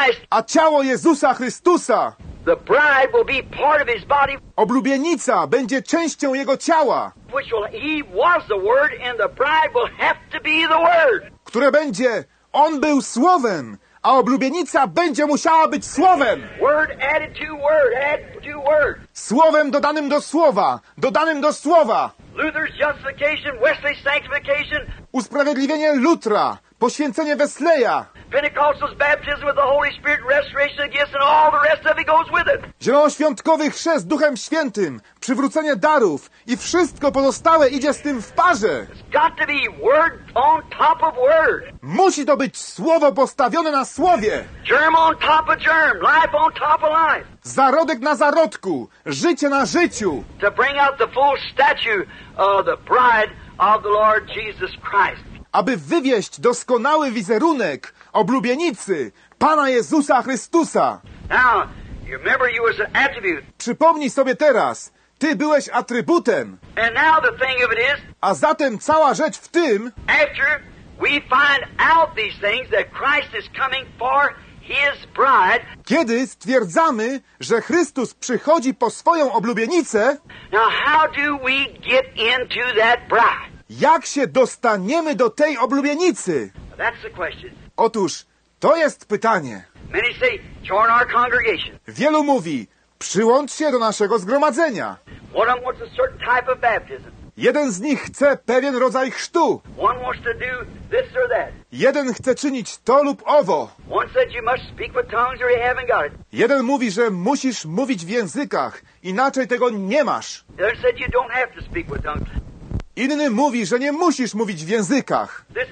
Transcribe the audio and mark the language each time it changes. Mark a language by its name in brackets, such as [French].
[Polish] A ciało Jezusa Chrystusa. [English] The bride will be part of his body. [Polish] Oblubienica będzie częścią jego ciała. [English] Which will, he was the word, and the bride will have to be the word. [Polish] Które będzie, on był słowem, a oblubienica będzie musiała być słowem. [English] Word added to word, added to word. [Polish] Słowem dodanym do słowa, dodanym do słowa. [English] Luther's justification, Wesley's sanctification. [Polish] Usprawiedliwienie Lutra, poświęcenie Wesleya. [English] Pentecostal's baptism with the Holy Spirit, restoration of gifts, and all the rest of it goes with it. [Polish] Zielonoświątkowy chrzest Duchem Świętym, przywrócenie darów i wszystko pozostałe idzie z tym w parze. [English] It's got to be word on top of word. [Polish] Musi to być słowo postawione na słowie. [English] Germ on top of germ, life on top of life. [Polish] Zarodek na zarodku, życie na życiu. [English] To bring out the full stature of the bride of the Lord Jesus Christ. [Polish] Aby wywieść doskonały wizerunek oblubienicy Pana Jezusa Chrystusa. [English] Now, you remember you was an attribute. [Polish] Przypomnij sobie teraz, ty byłeś atrybutem. [English] And now the thing of it is, [Polish] a zatem cała rzecz w tym, [English] after we find out these things that Christ is coming for his bride, [Polish] kiedy stwierdzamy, że Chrystus przychodzi po swoją oblubienicę, [English] now how do we get into that bride? [Polish] Jak się dostaniemy do tej oblubienicy? [English] That's the question. [Polish] Otóż, to jest pytanie. [English] Many say, join our congregation. [Polish] Wielu mówi, przyłącz się do naszego zgromadzenia. [English] One of them wants a certain type of baptism. [Polish] Jeden z nich chce pewien rodzaj chrztu. [English] One wants to do this or that. [Polish] Jeden chce czynić to lub owo. [English] One said you must speak with tongues or you haven't got it. [Polish] Jeden mówi, że musisz mówić w językach, inaczej tego nie masz. [English] Another said you don't have to speak with tongues. [Polish] Inny mówi, że nie musisz mówić w językach.